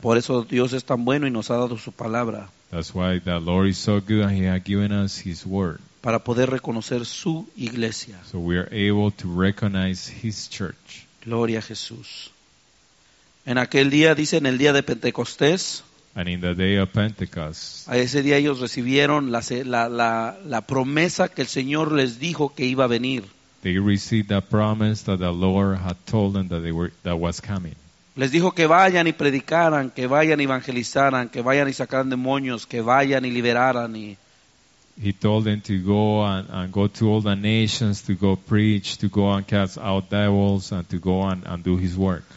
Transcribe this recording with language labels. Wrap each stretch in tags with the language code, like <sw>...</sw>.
<es>Por eso Dios es tan bueno y nos ha dado su palabra.</es> <en>That's why the Lord is so good and He has given us His Word.</en> <es>Para poder reconocer su iglesia.</es> <en>So we are able to recognize His church.</en> <es>Gloria a Jesús. En aquel día, dice en el día de Pentecostés.</es> <en>And in the day of Pentecost.</en> <es>A ese día ellos recibieron la promesa que el Señor les dijo que iba a venir.</es> <en>They received the promise that the Lord had told them that was coming.</en> <es>Les dijo que vayan y predicaran, que vayan y evangelizaran, que vayan y sacaran demonios, que vayan y liberaran.</es> <en>He told them to go and go to all the nations, to go preach, to go and cast out devils, and to go and do His work.</en>